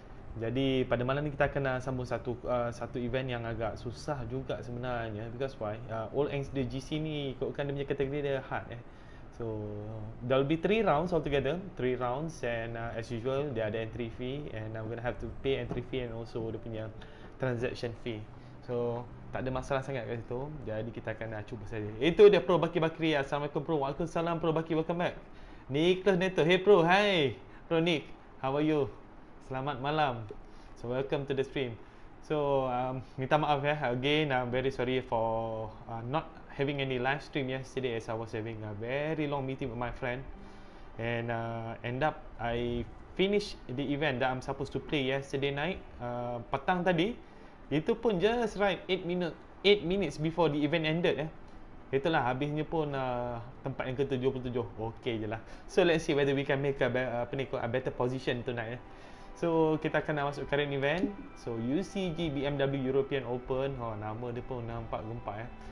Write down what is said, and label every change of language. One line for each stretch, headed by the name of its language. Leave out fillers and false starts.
Malay: Jadi pada malam ni kita akan sambung satu satu event yang agak susah juga sebenarnya.
English: Because why?
Malay: All Angst the GC ni ikutkan dia punya kategori dia hard eh.
English: So there will be 3 rounds altogether, 3 rounds and as usual there ada entry fee and I'm going to have to pay entry fee and also
Malay: dia punya
English: transaction fee.
Malay: So tak ada masalah sangat kat situ. Jadi kita akan cuba saja. Itu dia Pro Baki Bakri. Assalamualaikum Pro.
English: Waalaikumsalam Pro Baki, welcome back. Nicholas Neto. Hey Pro, hi. Pro Nick, how are you?
Malay: Selamat malam.
English: So welcome to the stream.
Malay: So minta maaf ya,
English: again I'm very sorry for not having any live stream yesterday as I was having a very long meeting with my friend. And end up I finish the event that I'm supposed to play yesterday night,
Malay: petang tadi. Itu pun
English: just right 8 minutes before the event ended ya.
Malay: Itulah habisnya pun tempat yang ke-77. Okay je lah.
English: So let's see whether we can make a better position tonight ya.
Malay: So kita akan masuk current event. So UCG BMW European Open. Oh, nama dia pun nampak gempak ya.